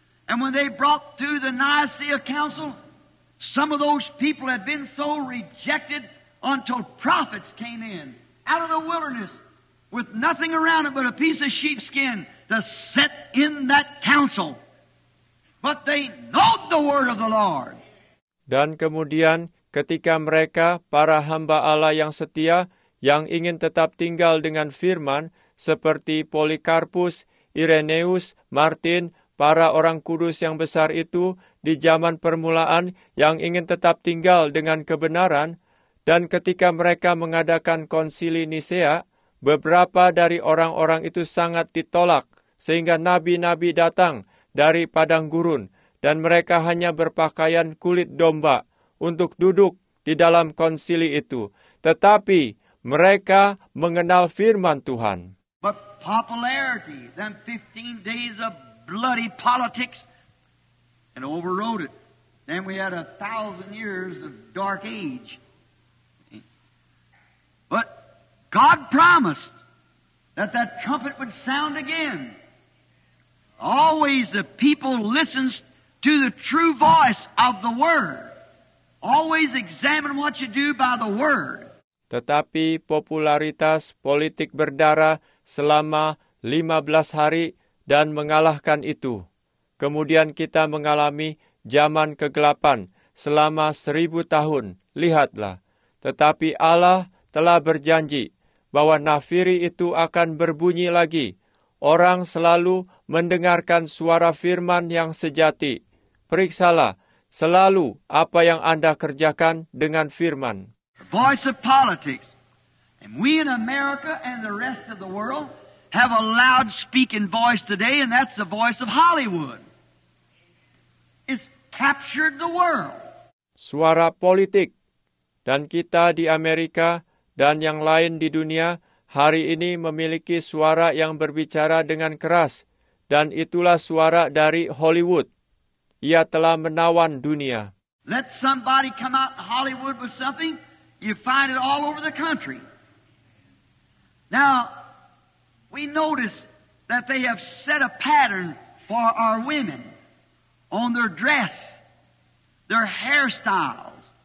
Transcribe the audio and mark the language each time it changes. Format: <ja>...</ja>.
<en>And when they brought to the Nicaea Council, some of those people had been so rejected until prophets came in out of the wilderness with nothing around it but a piece of sheepskin to set in that council. But they knowed the word of the Lord.</en> <id>Dan kemudian ketika mereka, para hamba Allah yang setia, yang ingin tetap tinggal dengan firman, seperti Polikarpus, Irenaeus, Martin, para orang kudus yang besar itu, di zaman permulaan, yang ingin tetap tinggal dengan kebenaran, dan ketika mereka mengadakan konsili Nisea, beberapa dari orang-orang itu sangat ditolak, sehingga nabi-nabi datang dari padang gurun, dan mereka hanya berpakaian kulit domba untuk duduk di dalam konsili itu. Tetapi mereka mengenal firman Tuhan.</id> <en>But popularity, them 15 days of bloody politics, and overrode it. Then we had 1,000 years of dark age. But God promised that trumpet would sound again. Always the people listens to the true voice of the Word. Always examine what you do by the Word.</en> <id>Tetapi popularitas politik berdarah selama 15 hari dan mengalahkan itu. Kemudian kita mengalami zaman kegelapan selama 1000 tahun. Lihatlah, tetapi Allah telah berjanji bahwa nafiri itu akan berbunyi lagi. Orang selalu mendengarkan suara firman yang sejati. Periksalah selalu apa yang Anda kerjakan dengan firman.</id> <en>Voice of politics. And we in America and the rest of the world have a loud speaking voice today, and that's the voice of Hollywood. It's captured the world.</en> <id>Suara politik. Dan kita di Amerika dan yang lain di dunia hari ini memiliki suara yang berbicara dengan keras, dan itulah suara dari Hollywood. Ia telah menawan dunia.</id> <en>Let somebody come out in Hollywood with something. You find it all over the country. Now, we notice that they have set a pattern for our women on their dress, their hairstyles.</en>